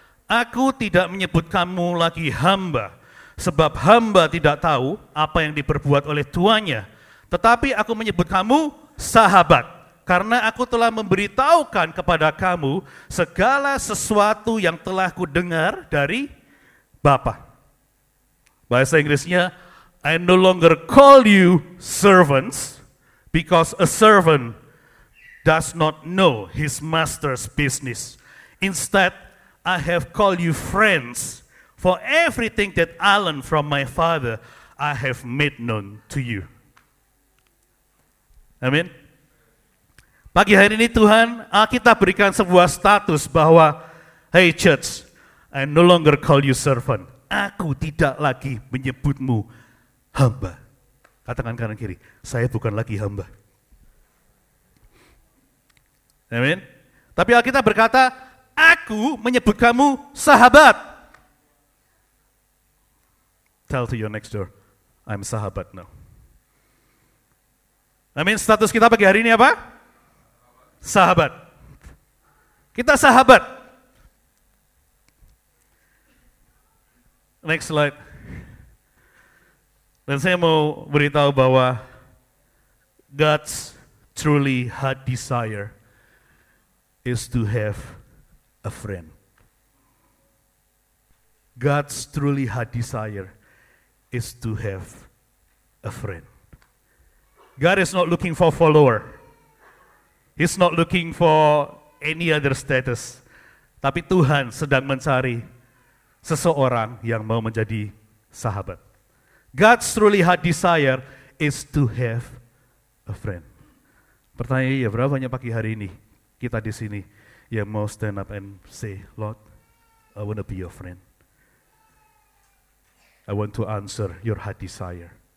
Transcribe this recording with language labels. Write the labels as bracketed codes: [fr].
[id] Aku tidak menyebut kamu lagi hamba, sebab hamba tidak tahu apa yang diperbuat oleh tuannya. Tetapi aku menyebut kamu sahabat, karena aku telah memberitahukan kepada kamu segala sesuatu yang telah kudengar dari Bapa. Bahasa Inggrisnya, [en] I no longer call you servants, because a servant does not know his master's business. Instead, I have called you friends, for everything that I learned from my father, I have made known to you. [id] Amin. Pagi hari ini Tuhan, kita berikan sebuah status bahwa, [en] hey church, I no longer call you servant. [id] Aku tidak lagi menyebutmu hamba. Katakan kanan kiri, saya bukan lagi hamba. Amin. Tapi kita berkata, aku menyebut kamu sahabat. [en] Tell to your next door, I'm sahabat now. [id] Amin. Status kita pagi hari ini apa? Sahabat. Kita sahabat. [en] Next slide. [id] Dan saya mau beritahu bahwa [en] God's truly heart desire is to have a friend. God's truly heart desire is to have a friend. God is not looking for follower. He's not looking for any other status. [id] Tapi Tuhan sedang mencari seseorang yang mau menjadi sahabat. [en] God's truly heart desire is to have a friend. [id] Pertanyaannya, berapa banyak pagi hari ini kita di sini yang mau [en] stand up and say, Lord, I want to be your friend. I want to answer your heart desire.